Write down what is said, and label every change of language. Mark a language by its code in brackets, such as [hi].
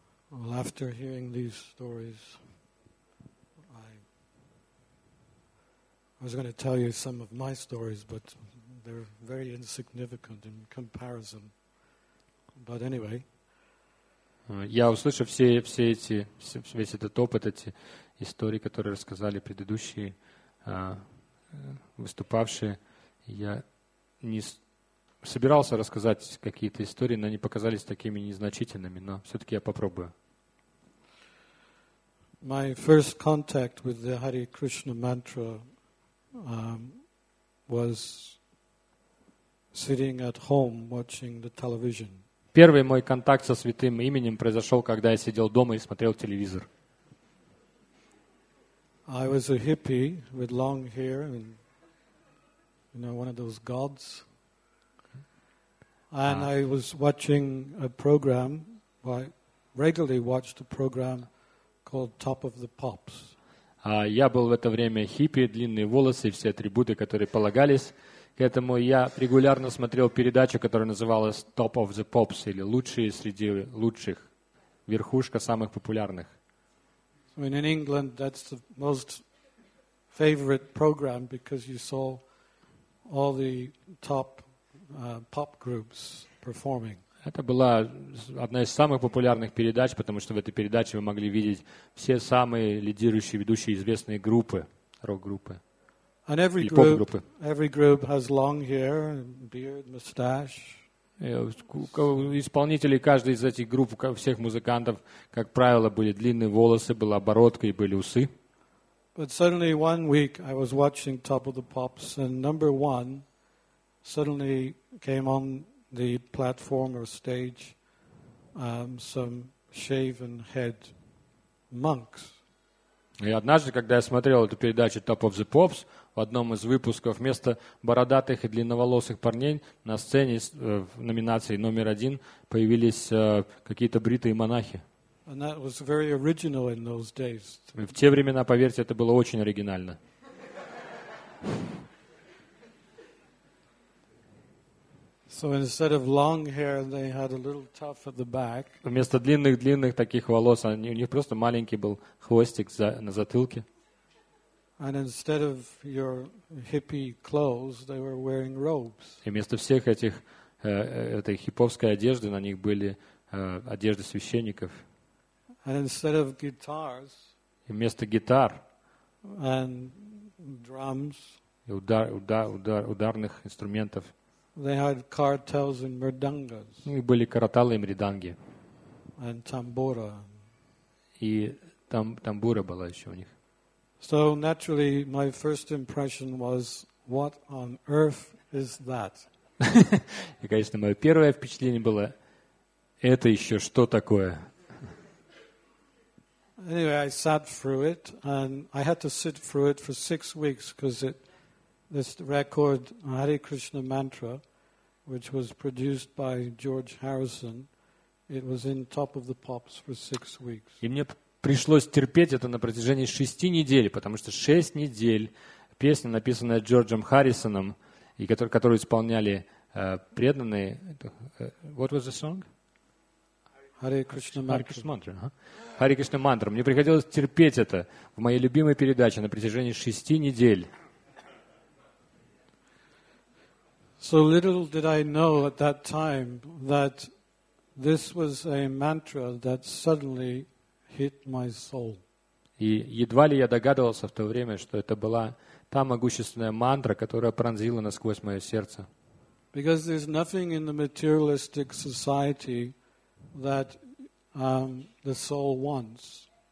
[en] Well, after hearing these stories, I was going to tell you some of my stories, but they're very insignificant in comparison. But anyway. [ru] Я услышав весь этот опыт, эти истории, которые рассказали предыдущие выступавшие, я не собирался рассказать какие-то истории, но они показались такими незначительными. Но все-таки я попробую. [en] My first contact with the Hare Krishna mantra was sitting at home watching the television. [ru] Первый мой контакт со святым именем произошел, когда я сидел дома и смотрел телевизор. [en] I was a hippie with long hair and, you know, one of those gods. And I was watching a program, well, I regularly watched a program called Top of the Pops. [ru] Я был в это время хиппи, длинные волосы, все атрибуты, которые полагались к этому. Я регулярно смотрел передачу, которая называлась Top of the Pops, или лучшие среди лучших, верхушка самых популярных. [en] So in England, that's the most favorite program because you saw all the top pop groups performing. [ru] Это была одна из самых популярных передач, потому что в этой передаче вы могли видеть все самые лидирующие, ведущие, известные группы, рок-группы и поп-группы. [en] Every group has long hair, beard, mustache. [ru] Исполнители каждой из этих групп, всех музыкантов, как правило, были длинные волосы, была бородка и были усы. [en] But suddenly one week I was watching Top of the Pops and number one suddenly came on the platform or stage some shaven head monks. [ru] И однажды, когда я смотрел эту передачу Top of the Pops, в одном из выпусков вместо бородатых и длинноволосых парней на сцене в номинации номер один появились какие-то бритые монахи. [en] And that was very original in those days. [ru] В те времена, поверьте, это было очень оригинально. [en] So instead of long hair, they had a little tuft at the back. [ru] Вместо длинных таких волос, у них просто маленький был хвостик на затылке. [en] And instead of your hippie clothes, they were wearing robes. [ru] И вместо всех этих этой хипповской одежды на них были одежды священников. [en] And instead of guitars, [ru] и вместо гитар [en] and drums, [ru] и ударных инструментов, [en] they had cartels and mridangas, [ru] и были караталы и мриданги, [en] and tambura, [ru] и тамбура была еще у них. [en] So naturally, my first impression was, what on earth is that? [ru] И, конечно, мое первое впечатление было, это еще что такое? [en] Anyway, I sat through it, and I had to sit through it for 6 weeks because this record, Hare Krishna Mantra, which was produced by George Harrison, it was in Top of the Pops for 6 weeks. [ru] И мне пришлось терпеть это на протяжении 6 недель, потому что 6 недель песня, написанная Джорджем Харрисоном, и которую исполняли преданные. [en] What was the song? Hare Krishna Mantra. Hare Krishna Mantra, Hare Krishna Mantra. [ru] Мне приходилось терпеть это в моей любимой передаче на протяжении 6 недель. [en] So little did I know at that time that this was a mantra that suddenly hit my soul. [ru] И едва ли я догадывался в то время, что это была та могущественная мантра, которая пронзила насквозь мое сердце. [en] Because there's nothing in the materialistic society that the soul wants.